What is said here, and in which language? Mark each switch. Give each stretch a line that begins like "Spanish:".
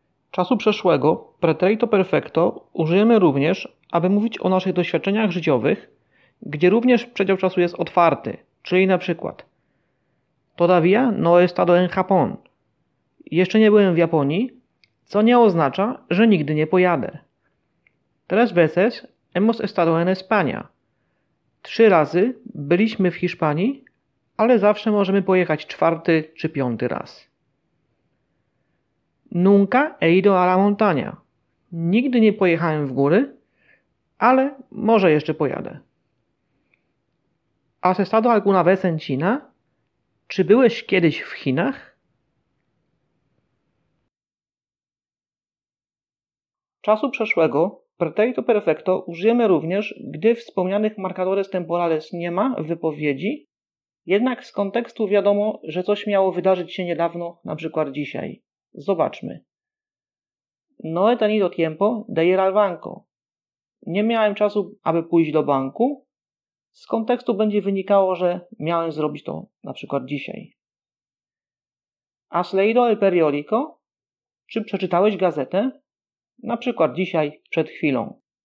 Polish: Czasu przeszłego, pretérito perfecto, użyjemy również, aby mówić o naszych doświadczeniach życiowych, gdzie również przedział czasu jest otwarty, czyli na przykład
Spanish: todavía no he estado en Japón.
Polish: Jeszcze nie byłem w Japonii, co nie oznacza, że nigdy nie pojadę.
Spanish: Tres veces hemos estado en España.
Polish: Trzy razy byliśmy w Hiszpanii, ale zawsze możemy pojechać czwarty czy piąty raz.
Spanish: Nunca he ido a la montaña.
Polish: Nigdy nie pojechałem w góry, ale może jeszcze pojadę.
Spanish: ¿Has estado alguna vez en China?
Polish: Czy byłeś kiedyś w Chinach? Czasu przeszłego, pretérito perfecto, użyjemy również, gdy wspomnianych marcadores temporales nie ma w wypowiedzi, jednak z kontekstu wiadomo, że coś miało wydarzyć się niedawno, na przykład dzisiaj. Zobaczmy.
Spanish: No he tenido tiempo de ir al banco.
Polish: Nie miałem czasu, aby pójść do banku. Z kontekstu będzie wynikało, że miałem zrobić to na przykład dzisiaj.
Spanish: ¿Has leído el periódico?
Polish: Czy przeczytałeś gazetę? Na przykład dzisiaj, przed chwilą.